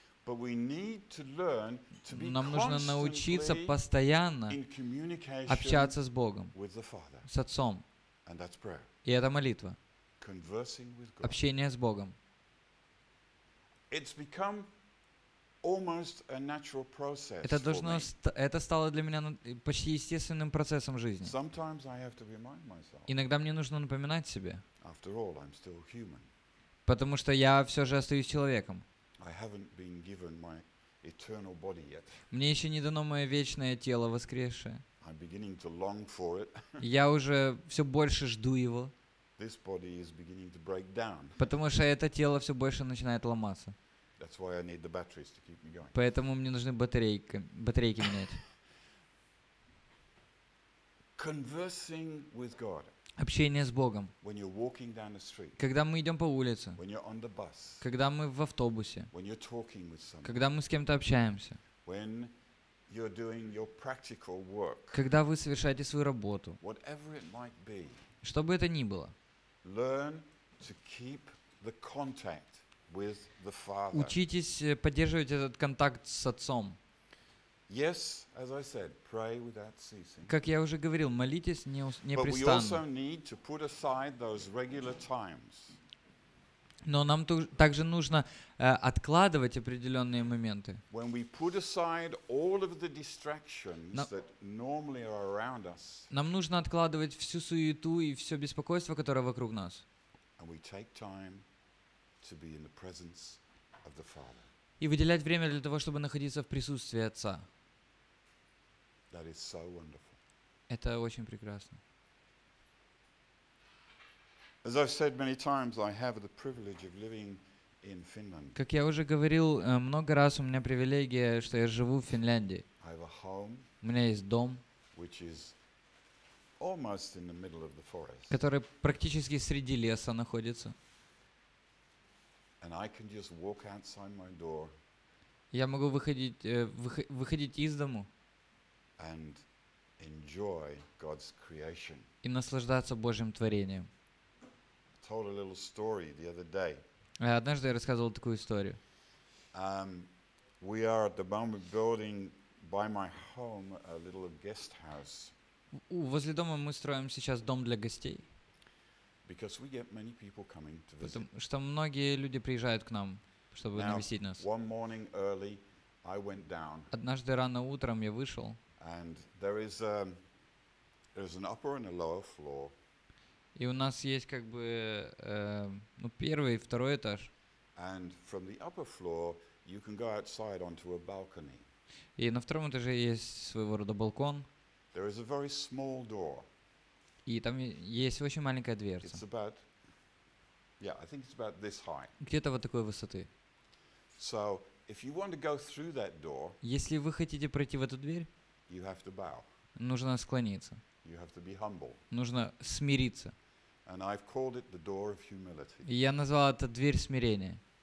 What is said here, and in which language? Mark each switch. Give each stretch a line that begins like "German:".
English: But we need to learn to be
Russian: Нам нужно научиться постоянно
English: in communication
Russian: общаться с Богом,
English: with the Father.
Russian: С Отцом.
English: And that's prayer.
Russian: И это молитва.
English: Conversing with God.
Russian: Общение с Богом.
English: It's become almost a natural process.
Russian: Это стало для меня почти естественным процессом жизни.
English: Sometimes I have to remind myself.
Russian: Иногда мне нужно напоминать себе.
English: After all, I'm still human.
Russian: Потому что я все же остаюсь человеком.
English: I haven't been given my eternal body yet.
Russian: Мне еще не дано мое вечное тело воскресшее.
English: I'm beginning to long for it.
Russian: Я уже все больше жду его.
English: This body is beginning to break down.
Russian: Потому что это тело все больше начинает ломаться.
English: That's why I need the batteries to keep me going.
Russian: Поэтому мне нужны батарейки менять.
English: Conversing with God.
Russian: Общение с Богом.
English: When you're walking down the street.
Russian: Когда мы идем по улице.
English: When you're on the bus.
Russian: Когда мы в автобусе.
English: When you're talking with someone.
Russian: Когда мы с кем-то общаемся.
English: When you're doing your practical work,
Russian: когда вы совершаете свою работу,
English: whatever it might be,
Russian: что бы это ни было,
English: learn to keep the contact with the Father.
Russian: Учитесь поддерживать этот контакт с Отцом.
English: Yes, as I said, pray without ceasing.
Russian: Как я уже говорил, молитесь непрестанно.
English: But we also need to put aside those regular times.
Russian: Но нам также нужно откладывать определенные моменты.
English: When we put aside all of the distractions that normally are around us.
Russian: Нам нужно откладывать всю суету и все беспокойство, которое вокруг нас.
English: And we take time to be in the presence of the Father.
Russian: И выделять время для того, чтобы находиться в присутствии Отца.
English: That is so wonderful.
Russian: Это очень прекрасно.
English: As I've said many times, I have the privilege of living in Finland.
Russian: Как я уже говорил много раз, у меня привилегия, что я живу в Финляндии.
English: I have a home.
Russian: У меня есть дом,
English: which is almost in the middle of the forest.
Russian: Который практически среди леса находится.
English: And I can just walk outside my door.
Russian: Я могу выходить из дому.
English: And enjoy God's creation.
Russian: И наслаждаться Божьим творением.
English: I told a little story the other day.
Russian: Однажды я рассказывал такую историю.
English: We are at the moment building by my home a little guest house.
Russian: Возле дома мы строим сейчас дом для гостей.
English: Because we get many people coming to visit.
Russian: Потому что многие люди приезжают к нам, чтобы навестить нас.
English: One morning early, I went down.
Russian: Однажды рано утром я вышел.
English: And there is an upper and a lower floor.
Russian: И у нас есть как бы первый и второй этаж.
English: And from the upper floor, you can go outside onto a balcony.
Russian: И на втором этаже есть своего рода балкон.
English: There is a very small door.
Russian: И там есть очень маленькая дверца.
English: It's about, I think it's about this high.
Russian: Где-то вот такой высоты.
English: So, if you want to go through that door,
Russian: если вы хотите пройти в эту дверь,
English: you have to bow.
Russian: Нужно склониться.
English: You have to be humble.
Russian: Нужно смириться.
English: And I've called it the door of humility.
Russian: И я назвал это дверь смирения.